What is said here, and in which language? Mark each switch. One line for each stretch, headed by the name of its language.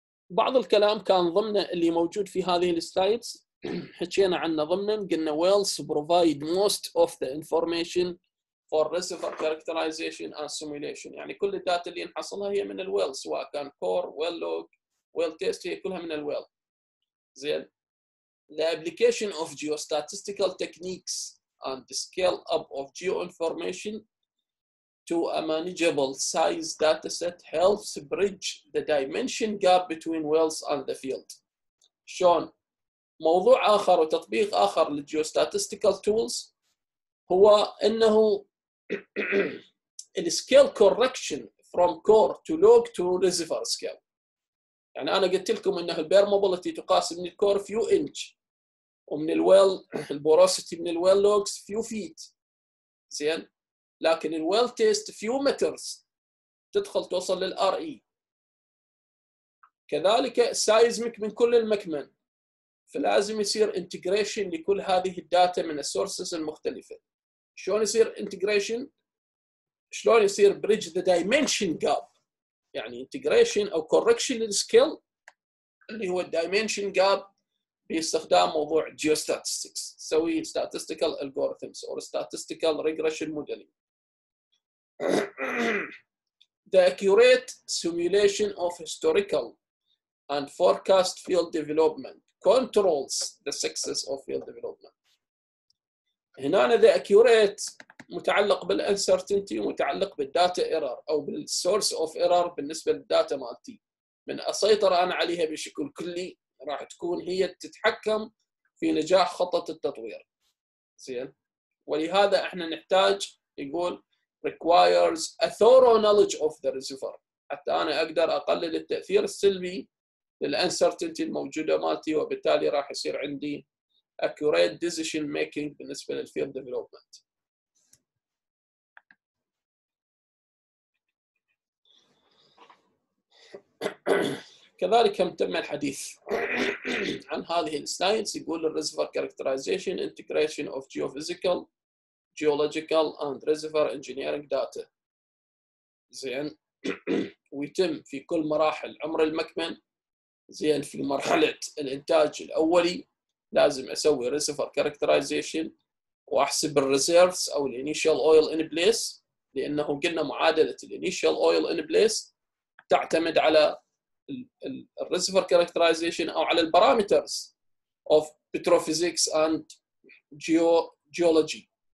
Arabic: بعض الكلام كان ضمن اللي موجود في هذه السلايدز حكينا عنه ضمن قلنا
English: wells provide most of the information for reservoir characterization and simulation.
Arabic: يعني كل الداتا اللي نحصلها هي من ال wells, سواء كان core, well log, well test, هي كلها من ال well. زين.
English: The application of geostatistical techniques and the scale up of geo information to a manageable size dataset helps bridge the dimension gap between wells and the field.
Arabic: شلون؟ موضوع آخر وتطبيق آخر للجيوستاتستيكال تولز هو أنه الـ scale correction from core to log to reservoir scale. يعني أنا قلت لكم أنه البير موبيلتي تقاس من الكور few inch ومن الويل البوروسيتي من الويل لوجز few feet. زين؟ لكن الويل تيست few meters تدخل توصل للار اي. كذلك سايزميك من كل المكمن. فلازم يصير انتجريشن لكل هذه الداتا من السورسز المختلفه. شلون يصير انتجريشن؟ شلون يصير بريدج ذا دايمنشن جاب؟ يعني انتجريشن او كوركشن للسكيل اللي هو الدايمنشن جاب باستخدام موضوع جيوستاتستكس. سوي ستاتستيكال الجوريثمز او ستاتستيكال ريجريشن موديلينج.
English: The accurate simulation of historical and forecast field development controls the success of field development.
Arabic: هنا أنا the accurate متعلق بالuncertainty متعلق بالdata error أو بالsource of error بالنسبة للdata مالتي. من أسيطر أنا عليها بشكل كلي راح تكون هي تتحكم في نجاح خطط التطوير. زين. ولهذا إحنا نحتاج يقول
English: requires a thorough knowledge of the reservoir
Arabic: حتى أنا أقدر أقلل التأثير السلبي للأنسرتينتي الموجودة مالتي وبالتالي راح يصير عندي accurate decision making بالنسبة للfield development. كذلك تم الحديث عن هذه الساينس يقول
English: reservoir characterization integration of geophysical geological and reservoir engineering data.
Arabic: زين. ويتم في كل مراحل عمر المكمن. زين. في مرحلة الانتاج الاولي لازم اسوي reservoir characterization واحسب الreserves او الانيشال اويل ان بليس. لانه قلنا معادلة الانيشال اويل ان بليس تعتمد على الreservoir characterization او على البارامترز
English: of petrophysics and geology.